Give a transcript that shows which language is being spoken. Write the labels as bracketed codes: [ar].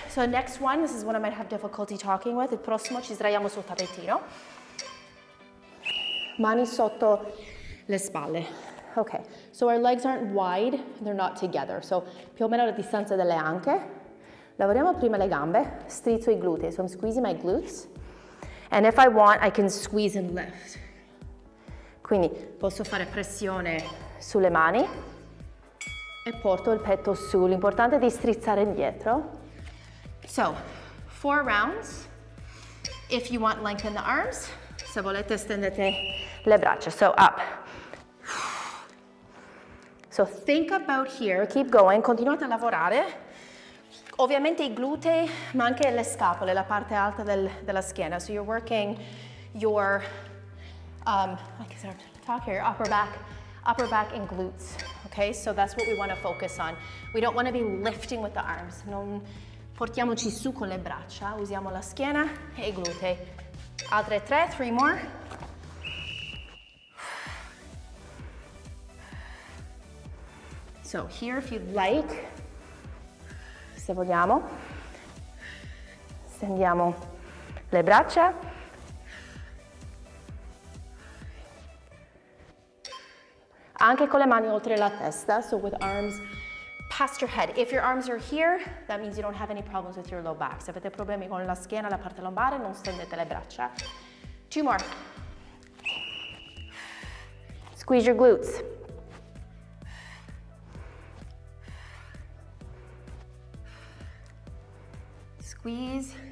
[en] So next one, this is one I might have difficulty talking with. [it] Il prossimo ci sdraiamo sul tappetino. Mani sotto le spalle. [en] Okay, so our legs aren't wide, they're not together. [it] So più o meno la distanza delle anche. Lavoriamo prima le gambe, strizzo I glutei. [en] So I'm squeezing my glutes. And if I want, I can squeeze and lift. [it] Quindi posso fare pressione sulle mani e porto il petto su. L'importante è di strizzare indietro. [en] So, four rounds. If you want, lengthen the arms. [it] Se volete, stendete le braccia. [en] So, up. So, think about here. Keep going. [it] Continuate a lavorare. Ovviamente I glutei, ma anche le scapole, la parte alta della schiena. [en] So, you're working your... upper back and glutes. Okay, so that's what we want to focus on. We don't want to be lifting with the arms. [it] Non portiamoci su con le braccia, usiamo la schiena e I glutei. Altre tre, [en] three more. So here if you'd like, [it] se vogliamo, stendiamo le braccia. Anche con le mani oltre la testa, [en] so with arms past your head. If your arms are here, that means you don't have any problems with your low back. [it] Se avete problemi con la schiena, la parte lombare, non stendete le braccia. [en] Two more. Squeeze your glutes. Squeeze.